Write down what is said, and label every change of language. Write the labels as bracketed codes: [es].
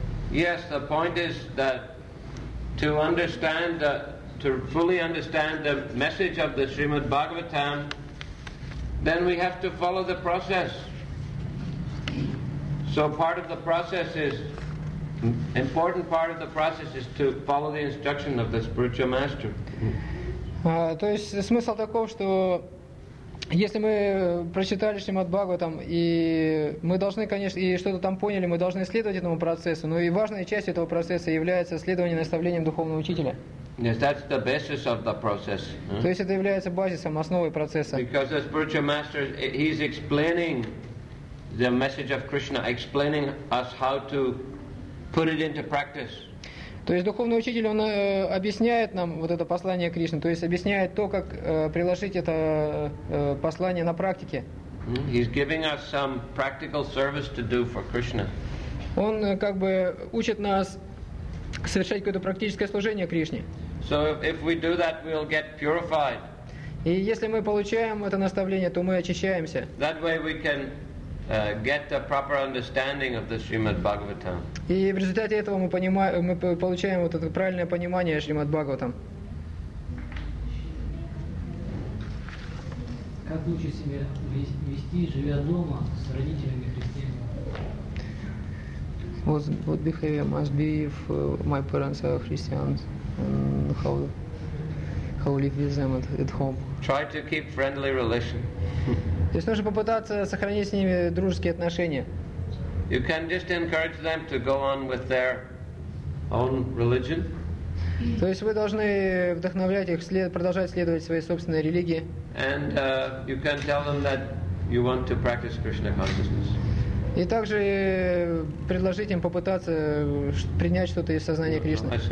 [en] Yes, the point is that to understand, to fully understand the message of the Srimad Bhagavatam, then we have to follow the process. So part of the process is, important part of the process is to follow the instruction of the spiritual master. [ru] То есть смысл таков, что если мы прочитали Шримад Бхагаватам, и мы должны, конечно, и что-то там поняли, мы должны следовать этому процессу, но и важной частью этого процесса является следование наставлениям духовного учителя. [en] Yes, that's the basis of the process. [ru] То есть это является базисом, основой процесса. [en] Because the spiritual master, he's explaining the message of Krishna, explaining us how to put it into practice. [ru] То есть духовный учитель, он объясняет нам вот это послание Кришны, то есть объясняет то, как приложить это послание на практике. [en] He's giving us some practical service to do for Krishna. [ru] Он как бы учит нас совершать какое-то практическое служение Кришне. [en] So if we do that, we'll get purified. [ru] И если мы получаем это наставление, то мы очищаемся. [en] That way we can get a proper understanding of the Srimad Bhagavatam. [ru] И в результате этого мы получаем вот это правильное понимание Шримад Бхагаватам. Как лучше себя вести, живя дома с родителями христианами? [en] What behavior must be if my parents are Christians? And how live with them at home? Try to keep friendly relations. [ru] То есть нужно попытаться сохранить с ними дружеские отношения. [en] You can just encourage them to go on with their own religion. [ru] То есть вы должны вдохновлять их продолжать следовать своей собственной религии. [en] And you can tell them that you want to practice Krishna consciousness. [ru] И также предложить им попытаться принять что-то из сознания Кришны.